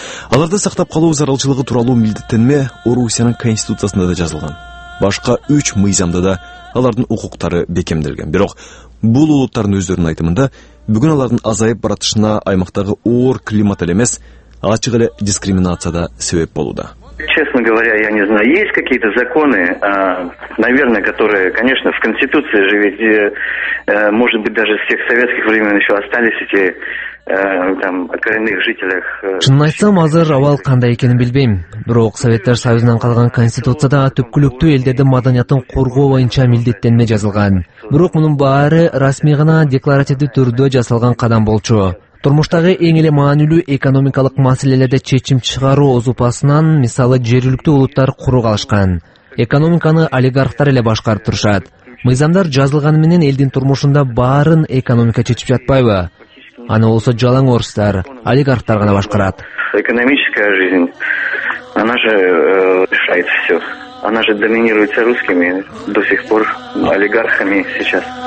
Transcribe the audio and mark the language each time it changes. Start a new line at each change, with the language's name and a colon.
Kyrgyz: Аларды сактап калуу зарылчылыгы тууралуу милдеттенме Орусиянын конституциясында да жазылган. Башка 3 мыйзамда да алардын укуктары бекемделген. Бирок бул улуттардын өздөрүнүн айтымында бүгүн алардын азайып баратышына аймактагы оор климат эле эмес, ачык эле дискриминация да себеп болууда.
Russian: Честно говоря, я не знаю, есть какие-то законы, наверное, которые, конечно, в Конституции же ведь, может быть, даже с тех советских времен еще остались эти там о коренных жителях.
Kyrgyz: Чын айтсам, азыр абал кандай экенин билбейм. Бирок Советтер Союзунан калган Конституцияда түпкүлүктүү элдердин маданиятын коргоо боюнча милдеттенме жазылган. Бирок мунун баары расмий гана декларативдүү түрдө жасалган кадам болчу. Турмуштагы эң эле маанилүү экономикалык маселелерде чечим чыгаруу озупасынан, мисалы, жергиликтүү улуттар куру калышкан. Экономиканы олигархтар эле башкарып турушат. Мыйзамдар жазылганы менен элдин турмушунда баарын экономика чечип жатпайбы? Аны болсо жалаң орустар, олигархтар гана башкарат.
Russian: Экономическая жизнь, она же решает все. Она же доминируется русскими до сих пор, олигархами сейчас.